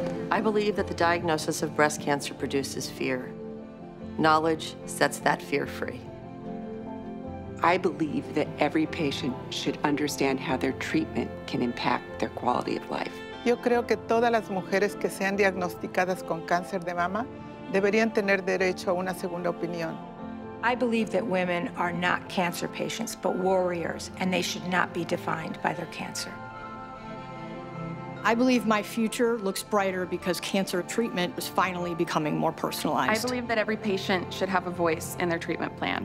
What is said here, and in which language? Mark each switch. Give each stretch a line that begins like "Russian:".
English: I believe that the diagnosis of breast cancer produces fear. Knowledge sets that fear free. I believe that every patient should understand how their treatment can impact their quality of life.
Spanish: Yo creo que todas las mujeres que sean diagnosticadas con cáncer de mama deberían tener derecho a una segunda opinión.
English: I believe that women are not cancer patients, but warriors, and they should not be defined by their cancer. I believe my future looks brighter because cancer treatment is finally becoming more personalized. I believe that every patient should have a voice in their treatment plan.